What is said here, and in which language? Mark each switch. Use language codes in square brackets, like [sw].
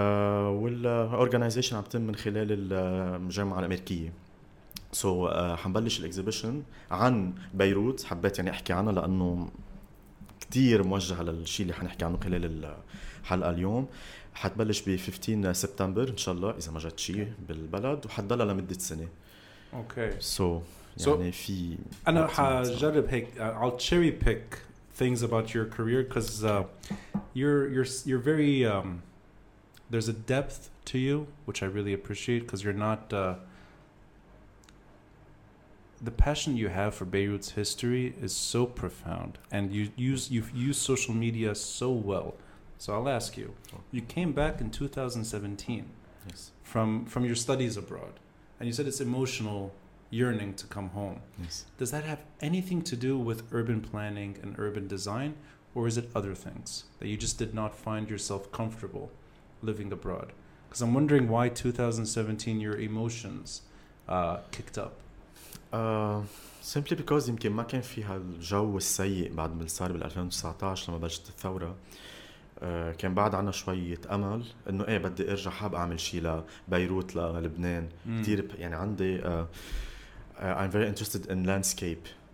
[ar] والorganization عم تتم من خلال الجامعة الأمريكية so حنبلش الإكزيبيشن عن بيروت حبيت يعني أحكي عنه لأنه كتير موجه للشي اللي حنحكي عنه خلال الحلقة اليوم حتبلش ب 15 سبتمبر إن شاء الله إذا ما جات شي بالبلد وحتضلها لمدة سنة [en] okay. [ar] so يعني في أنا حجرب هيك [en] I'll cherry pick things about your career because you're very there's a depth to you which I really appreciate because you're not the passion you have for Beirut's history is so profound and you use social media so well. So I'll ask you, you came back in 2017 yes. from your studies abroad and you said it's emotional yearning to come home. Yes. Does that have anything to do with urban planning and urban design, or is it other things that you just did not find yourself comfortable living abroad? Because I'm wondering why 2017 your emotions kicked up. Simply because [ar] يمكن ما كان في هالجو السيء بعد ما صار بال 2019 لما بلشت الثورة كان بعد عنا شوية أمل إنه إيه بدي أرجع حاب أعمل شيء لبيروت للبنان كتير يعني عندي [en] I'm very interested in landscape.